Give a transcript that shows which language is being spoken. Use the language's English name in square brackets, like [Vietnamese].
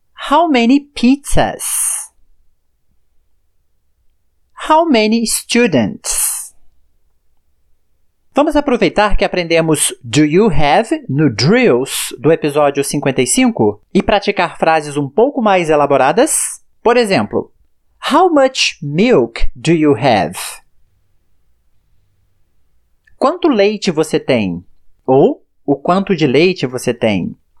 [English] How many pizzas? How many students? [Portuguese] Vamos aproveitar que aprendemos Do You Have no Drills do episódio 55 e praticar frases um pouco mais elaboradas? Por exemplo, [English] How much milk do you have? [Portuguese] Quanto leite você tem? Ou, o quanto de leite você tem?